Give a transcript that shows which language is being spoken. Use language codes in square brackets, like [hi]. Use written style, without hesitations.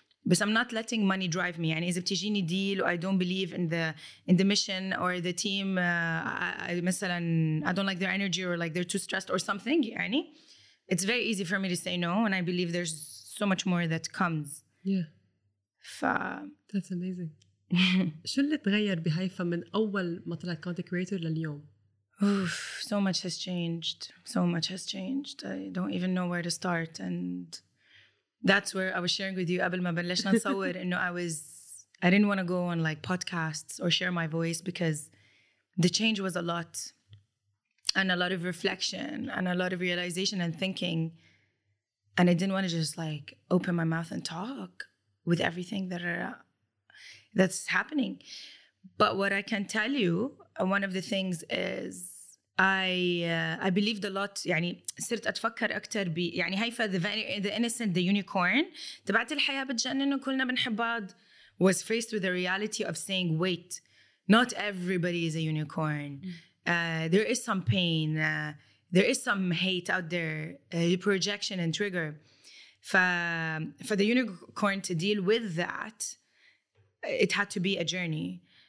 [en] But I'm not letting money drive me. [ar] يعني [en] إذا بتجيني deal, I don't believe in the mission or the team, I don't like their energy or like they're too stressed or something, يعني, it's very easy for me to say no. And I believe there's so much more that comes. Yeah. That's amazing. [ar] شو اللي تغير بهايفا من أول ما طلعت content creator لليوم؟ [en] Oof, so much has changed. So much has changed. I don't even know where to start. And that's where I was sharing with you [ar] قبل ما بلشنا نصور إنه [en] I didn't want to go on like podcasts or share my voice because the change was a lot and a lot of reflection and a lot of realization and thinking. And I didn't want to just like open my mouth and talk with everything that's happening. But what I can tell you, one of the things is I believed a lot. [ar] يعني صرت أتفكر أكتر ب يعني هيفا [en] the innocent, the unicorn. [ar] تبعت الحياة بتجنن وكلنا بنحب بعض. [en] Was faced with the reality of saying, wait, not everybody is a unicorn. There is some pain. There is some hate out there, projection and trigger. For the unicorn to deal with that, it had to be a journey.